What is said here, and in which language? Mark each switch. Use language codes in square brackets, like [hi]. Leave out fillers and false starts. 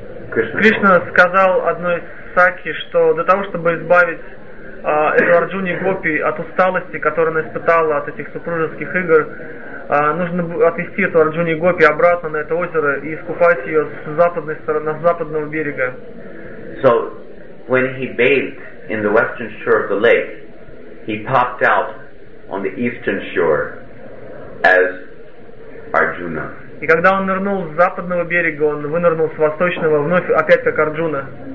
[ru] Кришна сказал одной сакхи, что для того, чтобы избавить эту Арджуни Гопи от усталости, которую она испытала от этих супружеских игр, нужно отвезти эту Арджуни Гопи обратно на это озеро и искупать ее с западной стороны, с западного берега. [en] So, when he bathed in the western shore of the lake, he popped out on the eastern shore as Arjuna. [ru] И когда он нырнул с западного берега, он вынырнул с восточного, вновь опять как Арджуна.